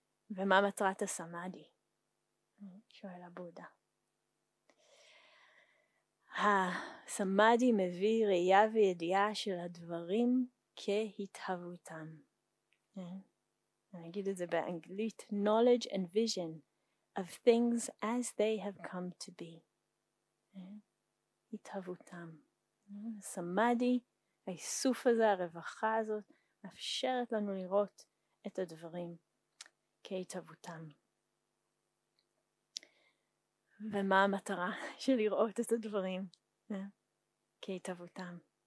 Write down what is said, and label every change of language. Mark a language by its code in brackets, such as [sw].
[he] ומה מטרת הסמאדי? שואל הבודה. הסמאדי מביא ראייה וידיעה של הדברים כהתהוותם. אני אגיד את זה באנגלית. [en] Knowledge and vision of things as they have come to be. [he] התהוותם. הסמאדי, האיסוף הזה, הרווחה הזאת, מאפשרת לנו לראות את הדברים כהתהוותם. ומה המטרה של לראות את הדברים כהתהוותם?